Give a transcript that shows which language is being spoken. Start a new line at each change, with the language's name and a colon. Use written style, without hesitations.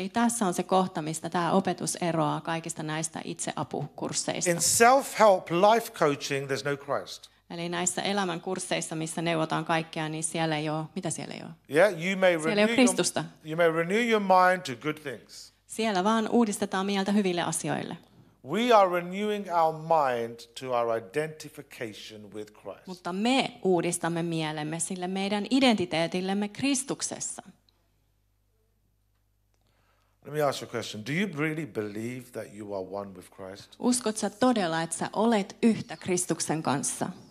Finnish: Eli tässä on se kohta, mistä tämä opetus eroaa kaikista näistä itseapukursseista.
English: In self-help life coaching, there's no Christ.
Finnish: Eli näissä elämän kursseissa, missä neuvotaan kaikkea, niin siellä ei ole, mitä siellä ei ole?
English: Yeah, you may
Finnish: siellä ei ole Kristusta.
English: You may renew your mind to good things.
Finnish: Siellä vaan uudistetaan mieltä hyville asioille.
English: We are renewing our mind to our identification with Christ.
Finnish: Mutta me uudistamme mielemme sille meidän identiteetillemme Kristuksessa.
English: Let me ask you a question. Do you really believe that you are one with Christ?
Finnish: Uskotko sä todella, että sä olet yhtä Kristuksen kanssa?